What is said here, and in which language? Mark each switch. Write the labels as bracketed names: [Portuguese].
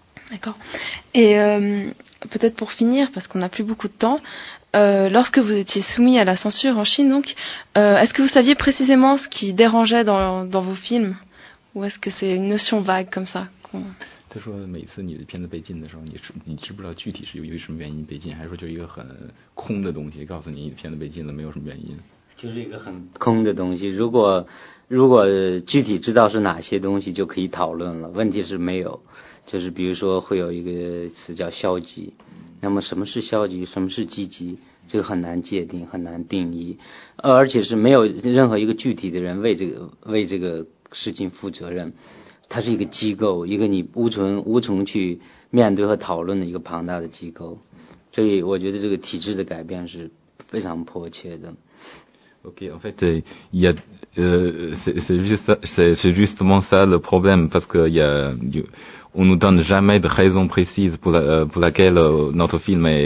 [French] D'accord. Et... Peut-être pour finir, parce qu'on n'a plus beaucoup de temps, lorsque vous étiez soumis à la censure en Chine, donc, est-ce que vous saviez précisément ce qui dérangeait dans vos films ? Ou est-ce que c'est une notion vague comme ça ? [Chinese] 他说每次你的片子被禁的时候，你知不知道具体是由于什么原因被禁？还是说就一个很空的东西告诉你片子被禁了，没有什么原因？就是一个很空的东西。如果具体知道是哪些东西，就可以讨论了。问题是没有。就是比如说会有一个词叫消极，那么什么是消极，什么是积极，这个很难界定，很难定义，而且是没有任何一个具体的人为这个事情负责任，它是一个机构，一个你无从去面对和讨论的一个庞大的机构，所以我觉得这个体制的改变是非常迫切的。 [French] OK, en fait, c'est justement ça le problème, parce que on nous donne jamais de raison précise pour laquelle notre film